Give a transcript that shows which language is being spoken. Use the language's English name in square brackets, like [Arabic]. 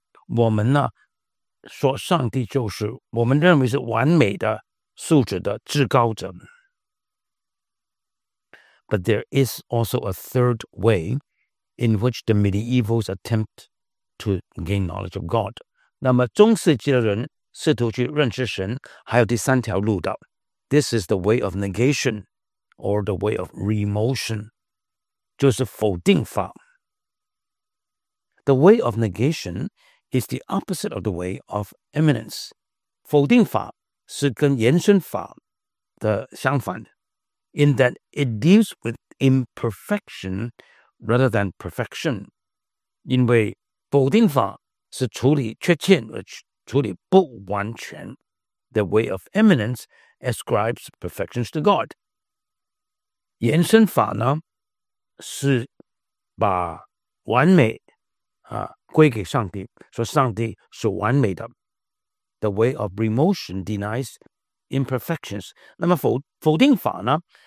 [Chinese] 我们呢，说上帝就是我们认为是完美的素质的至高者。 [English] But there is also a third way in which the medievals attempt to gain knowledge of God. [Chinese] 那么中世纪的人试图去认识神，还有第三条路的。 [English] This is the way of negation. Or the way of remotion, [Chinese] 就是否定法。 [English] The way of negation is the opposite of the way of eminence. [Chinese] 否定法是跟延伸法的相反 [English] in that it deals with imperfection rather than perfection. [Chinese] 因为否定法是处理缺陷而处理不完全。 [English] The way of eminence ascribes perfections to God. [Chinese] 延伸法呢是把完美归给上帝说上帝是完美的 [English] The way of remotion denies imperfections [Chinese] 那么 否定法呢